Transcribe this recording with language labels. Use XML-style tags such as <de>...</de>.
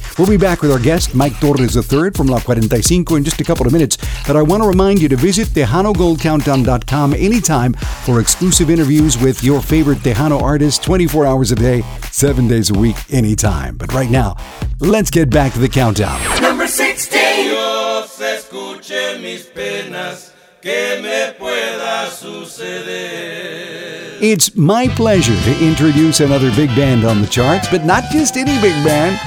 <en>We'll be back with our guest, Mike Torres III from La 45, in just a couple of minutes, but I want to remind you to visit TejanoGoldCountdown.com anytime for exclusive interviews with your favorite Tejano artists 24 hours a day, 7 days a week, anytime. But right now, let's get back to the countdown. Number 16!</en> <es>Dios escuche mis penas, que me pueda suceder.</es> <en>It's my pleasure to introduce another big band on the charts, but not just any big band.</en>